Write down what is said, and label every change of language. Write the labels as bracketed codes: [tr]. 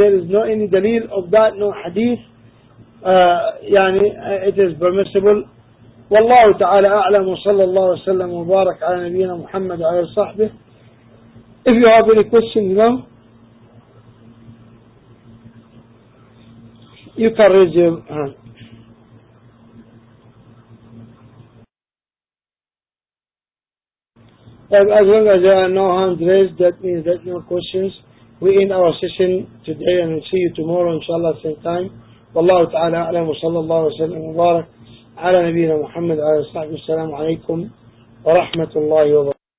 [en] There is no any dalil of that, no hadith. It is permissible. [ar] والله تعالى أعلم، وصلى الله وسلم وبارك على نبينا محمد وعلى صحبه. [en] If you have any questions, you can raise your hand. As long as there are no hands raised, that means that no questions. We end our session today and we'll see you tomorrow inshallah same time. [ar] والله تعالى أعلم، وصلى الله وسلم وبارك على نبينا محمد وعلى صحبه. السلام عليكم ورحمة الله وبركاته.